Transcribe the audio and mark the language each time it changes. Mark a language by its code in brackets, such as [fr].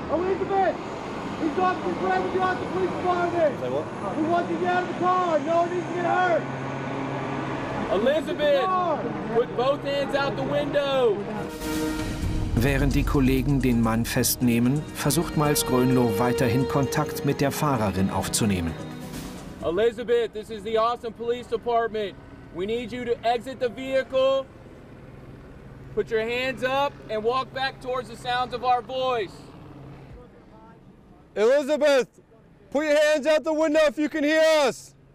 [en] Oh, Elizabeth! He's off the driver, you're out the police department! Say what? We want you to get out of the car! No one needs to get hurt! Elizabeth! Put both hands out the window! [de] Während die Kollegen den Mann festnehmen, versucht Miles Grönlo weiterhin Kontakt mit der Fahrerin aufzunehmen. [en] Elizabeth, this is the awesome police department. We need you to exit the vehicle, put your hands up, and walk back towards the sounds of our voice. Elizabeth, put your hands out the window if you can hear us.